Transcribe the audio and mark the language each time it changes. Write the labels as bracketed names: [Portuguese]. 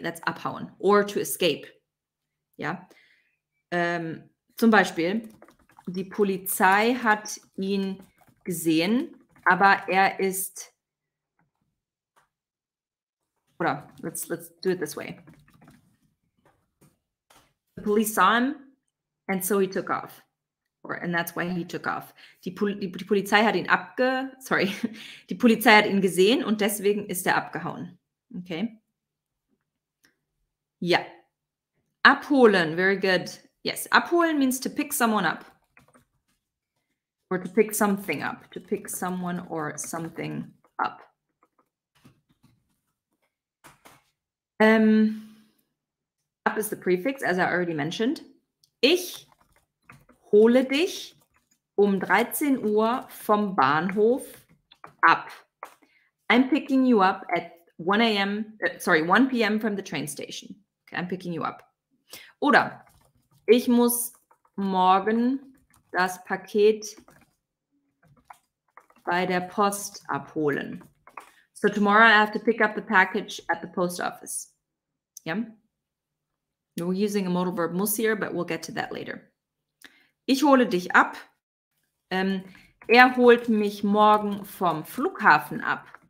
[English] That's [German] abhauen. [English] Or to escape. [German] Ja, zum Beispiel, die Polizei hat ihn gesehen, aber er ist, oder, [English] let's do it this way. The police saw him, and so he took off, or, and that's why he took off. [German] Die Polizei hat ihn die Polizei hat ihn gesehen und deswegen ist er abgehauen, okay? [English] Ja. Yeah. Abholen, very good. Yes, abholen means to pick someone up. Or to pick something up. To pick someone or something up. Up is the prefix, as I already mentioned. [German] Ich hole dich um 13 Uhr vom Bahnhof ab. [English] I'm picking you up at 1 p.m. from the train station. Okay, I'm picking you up. [German] Oder ich muss morgen das Paket bei der Post abholen. [English] So tomorrow I have to pick up the package at the post office. Yeah. We're using a modal verb muss here, but we'll get to that later. [German] Ich hole dich ab. Er holt mich morgen vom Flughafen ab.